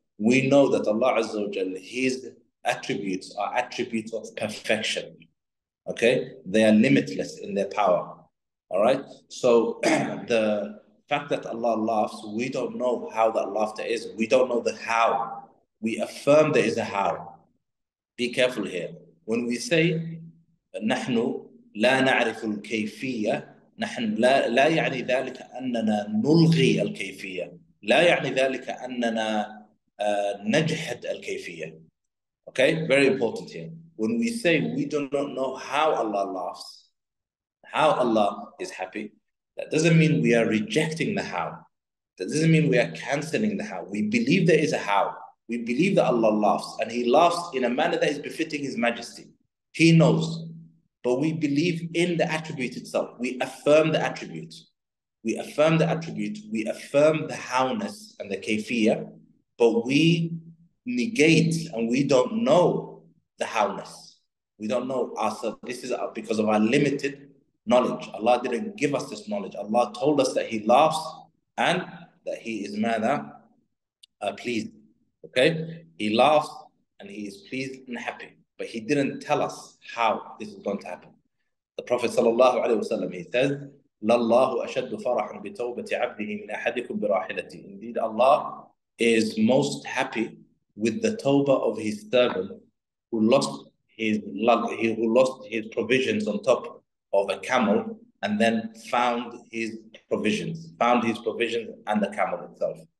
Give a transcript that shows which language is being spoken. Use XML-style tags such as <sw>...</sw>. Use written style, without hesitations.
<en>We know that Allah Azza wa Jal, his attributes are attributes of perfection. Okay? They are limitless in their power. All right? So the fact that Allah laughs, we don't know how that laughter is. We don't know the how. We affirm there is a how. Be careful here. When we say</en> <ar>نَحْنُ لَا نَعْرِفُ الْكَيْفِيَّةِ نَحْنُ لَا يَعْنِي ذَلِكَ أَنَّنَا نُلْغِي الْكَيْفِيَّةِ لَا يَعْنِي ذَلِكَ أَنَّنَا نَجْحَدْ الْكَيْفِيَّةِ.</ar> <en>Okay, very important here. When we say we do not know how Allah laughs, how Allah is happy, that doesn't mean we are rejecting the how. That doesn't mean we are cancelling the how. We believe there is a how. We believe that Allah laughs, and He laughs in a manner that is befitting His majesty. He knows. But we believe in the attribute itself. We affirm the attribute. We affirm the attribute. We affirm the howness and the kayfiyah. But we negate and we don't know the howness. We don't know ourselves. This is because of our limited knowledge. Allah didn't give us this knowledge. Allah told us that He laughs and that He is ماذا pleased. Okay? He laughs and He is pleased and happy. But He didn't tell us how this is going to happen. The Prophet sallallahu alaihi wasallam, he says,</en> <ar>لَاللَّهُ أَشَدُّ فَرَحًا بِتَوْبَةِ عَبْدِهِ مِنْ أَحَدِكُمْ بِرَاحِلَتِهِ.</ar> <en>Indeed, Allah is most happy with the tawbah of His servant who lost his luck, who lost his provisions on top of a camel and then found his provisions and the camel itself.</en>